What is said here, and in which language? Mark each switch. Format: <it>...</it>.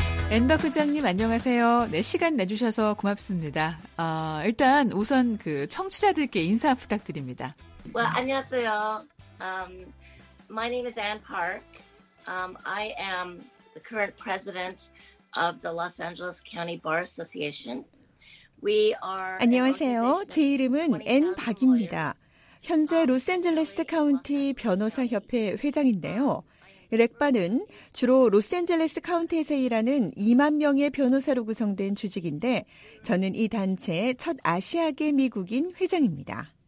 <ko>앤박 회장님 안녕하세요. 네, 시간 내주셔서 고맙습니다. 일단 우선 그 청취자들께 인사 부탁드립니다.</ko> <en>Well,</en> <ko>안녕하세요.</ko> <en>My name is Anne Park. I am the current president of the Los Angeles County Bar Association. We are</en> <ko>안녕하세요. 제 이름은 앤 박입니다. 현재 로스앤젤레스 카운티 변호사협회 회장인데요. 렉바는 주로 로스앤젤레스 카운티에서 일하는 2만 명의 변호사로 구성된 조직인데 저는 이 단체의 첫 아시아계 미국인 회장입니다.</ko>